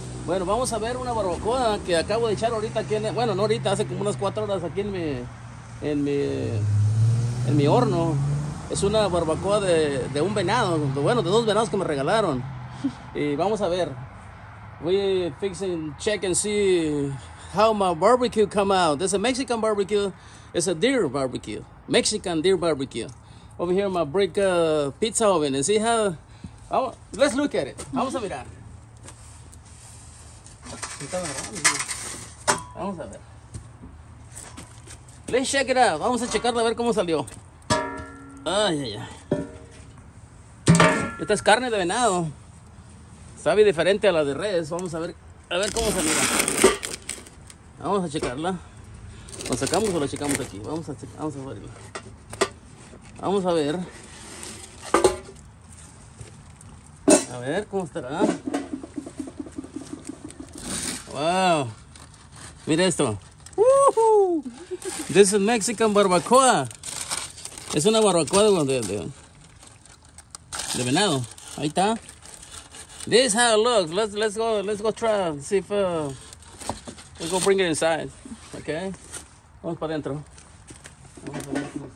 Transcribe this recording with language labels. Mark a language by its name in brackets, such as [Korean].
[Spanish] Bueno, vamos a ver una barbacoa que acabo de echar ahorita aquí en, bueno, no ahorita, hace como unas 4 horas aquí en mi horno. Es una barbacoa de un venado, bueno, de dos venados que me regalaron. Y vamos a ver. [English] We fix and check and see how my barbecue come out. This is a Mexican barbecue. It's a deer barbecue. Mexican deer barbecue. Over here my brick pizza oven. And see how, let's look at it. [Spanish] Vamos a mirar. Vamos a ver. [English] Let's check it out. [Spanish] Vamos a checarla a ver cómo salió. Ay, ay, ay. Esta es carne de venado. Sabe diferente a la de res. Vamos a ver cómo se mira. Vamos a checarla. ¿La sacamos o la checamos aquí? Vamos a abrirla. Vamos a ver. A ver cómo estará. Wow, mira esto. Woohoo! [English] This is Mexican barbacoa. [Spanish] Es una barbacoa de venado. Ahí está. [English] This is how it looks. Let's go try. See if we go bring it inside. Okay. [Spanish] Vamos para adentro. Vamos a ver.